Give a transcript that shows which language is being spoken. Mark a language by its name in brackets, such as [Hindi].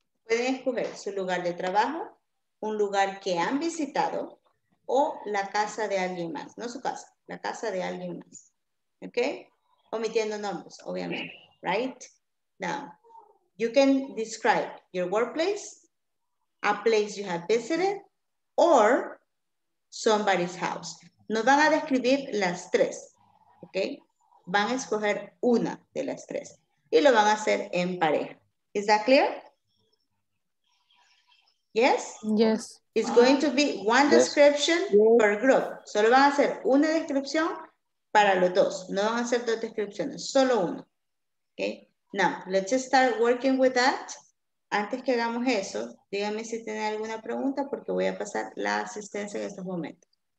[Spanish] Pueden escoger su lugar de trabajo, un lugar que han visitado, o la casa de alguien más. No su casa, la casa de alguien más. ¿Ok? Omitiendo nombres, obviamente. Right? [English] Now, you can describe your workplace, a place you have visited, or somebody's house. [Spanish] Nos van a describir las tres. ¿Ok? Van a escoger una de las tres. Y lo van a hacer en pareja. [English] ¿Is that clear? Yes? Yes. It's going to be one description per group. [Spanish] Solo van a hacer una descripción para los dos. No van a hacer dos descripciones, solo uno. [English] Okay. Now, let's start working with that. [Spanish] Antes que hagamos eso, díganme si tienen alguna pregunta porque voy a pasar la asistencia en estos momentos.